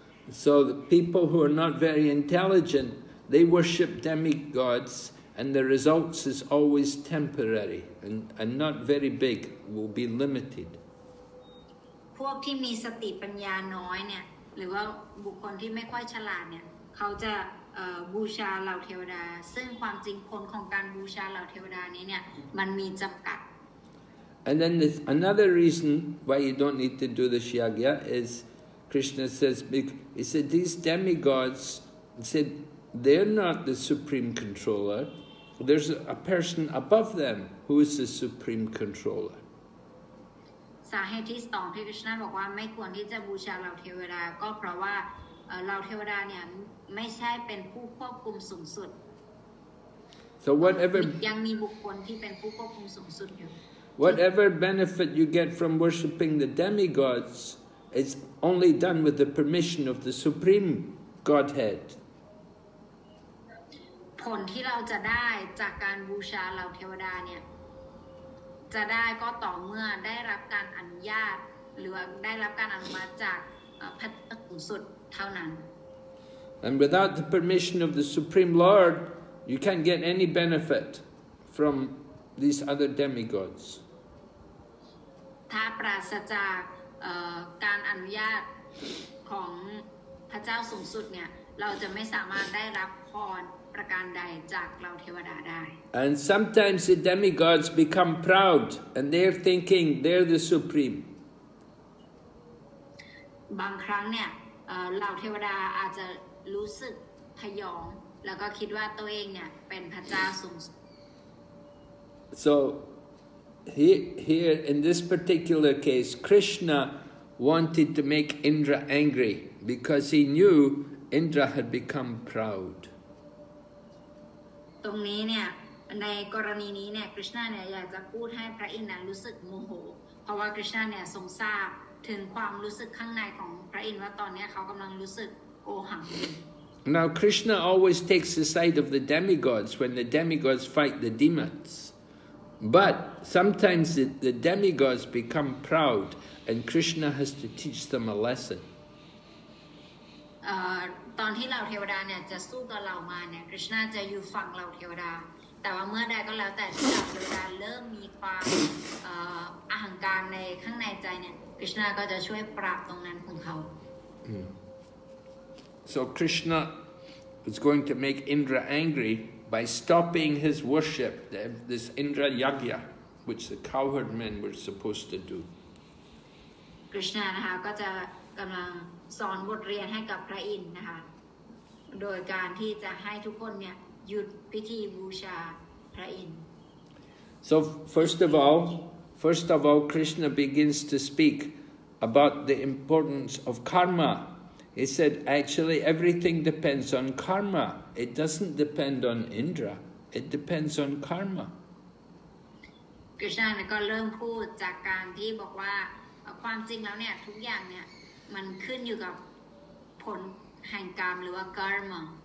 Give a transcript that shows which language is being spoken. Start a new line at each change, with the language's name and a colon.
English: So the people who are not very intelligent, they worship demigods, and the results is always temporary and not very big, will be limited.
Thai: พวกที่มีสติปัญญาน้อยเนี่ยหรือว่าบุคคลที่ไม่ค่อยฉลาดเนี่ยเขาจะบูชาเหล่าเทวดาซึ่งความจริงผลของการบูชาเหล่าเทวดานี้เนี่ยมันมีจำกัด
English: And then another reason why you don't need to do the shyagya is Krishna says, he said, these demigods, he said, they're not the supreme controller. There's a person above them who is the supreme controller.
Thai: สาเหตุที่สองที่ Krishna บอกว่าไม่ควรที่จะบูชาเหล่าเทวดาก็เพราะว่าเหล่าเทวดาเนี่ยไม่ใช่เป็นผู้ควบคุมสูงสุด
English: So whatever
Thai: ยังมีบุคคลที่เป็นผู้ควบคุมสูงสุดอยู่
English: Whatever benefit you get from worshipping the demigods,It's only done with the permission of the Supreme Godhead.
Thai: ผลที่เราจะได้จากการบูชาเหล่าเทวดาเนี่ยจะได้ก็ต่อเมื่อได้รับการอนุญาตหรือได้รับการอนุมัติจากพระสูงสุดเท่านั้น
English: And without the permission of the Supreme Lord, you can't get any benefit from these other demigods.
Thai: ถ้าปราศจากการอนุญาตของพระเจ้าสูงสุดเนี่ยเราจะไม่สามารถได้รับพรประการใดจากเราเทวดาได้
English: And sometimes the demigods become proud and they're thinking they're the supreme
Thai: บางครั้งเนี่ยเหล่าเทวดาอาจจะรู้สึกพยองแล้วก็คิดว่าตัวเองเนี่ยเป็นพระเจ้าสูงสุด
English: SoHere in this particular case, Krishna wanted to make Indra angry because he knew Indra had become proud.
Thai: ตรงนี้เนี่ยในกรณีนี้เนี่ย Krishna เนี่ยอยากจะพูดให้พระอินทร์รู้สึกโมโหเพราะว่า Krishna เนี่ยทรงทราบถึงความรู้สึกข้างในของพระอินทร์ว่าตอนนี้เขากำลังรู้สึกโกหก
English: Now Krishna always takes the side of the demigods when the demigods fight the demons. But sometimes the demigods become proud, and Krishna has to teach them a lesson.
Thai: ตอนที่เหล่าเทวดาเนี่ยจะสู้กับเหล่ามารเนี่ย Krishna จะอยู่ฝั่งเหล่าเทวดาแต่ว่าเมื่อใดก็แล้วแต่ที่เหล่าเทวดาเริ่มมีความอหังการในข้างในใจเนี่ย Krishna ก็จะช่วยปราบตรงนั้นของเขา
English: So Krishna is going to make Indra angry. By stopping his worship, this Indra Yagya, which the cowherd men were supposed to do.
Thai: Krishna, นะคะ ก็จะกำลังสอนบทเรียนให้กับพระอินทร์นะคะ โดยการที่จะให้ทุกคนเนี่ย หยุดพิธีบูชาพระอินทร์
English: So first of all, Krishna begins to speak about the importance of karma. He said, actually, everything depends on karma. It doesn't depend on Indra. It depends on karma.
Thai: Krishna ก็เริ่มพูดจากการที่บอกว่าความจริงแล้วเนี่ยทุกอย่างเนี่ยมันขึ้นอยู่กับผลแห่งกรรมหรือว่า karma.